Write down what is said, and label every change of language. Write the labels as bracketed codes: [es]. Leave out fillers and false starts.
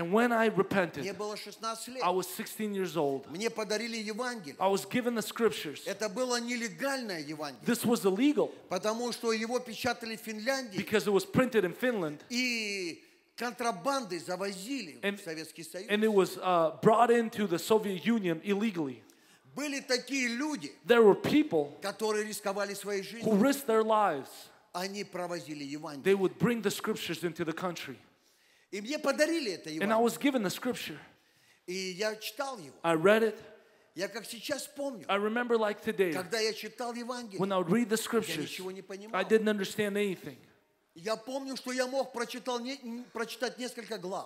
[en] and when I repented, [ru] мне было 16 лет. [en] I was 16 years old. [ru] Мне подарили Евангелие. [en] I was given the scriptures. [ru] Это было нелегальное Евангелие. [en] This was illegal. [ru] Потому что его печатали в Финляндии. [en] Because it was printed in Finland. [ru] И контрабандой завозили в Советский Союз. [en] And it was brought into the Soviet Union illegally. [ru] Были такие люди, [en] there were people [ru] которые рисковали своей жизнью, [en] who risked their lives. [ru] Они провозили Евангелие. [en] They would bring the scriptures into the country. [ru] И мне подарили это Евангелие. [en] And I was given the scripture. [ru] И я читал его. [en] I read it. [ru] Я как сейчас помню. [en] I remember like today. [ru] Когда я читал Евангелие. [en] When I would read the scriptures. [ru] Я ничего не понимал. [en] I didn't understand anything. [ru] Я помню, что я мог прочитать несколько глав.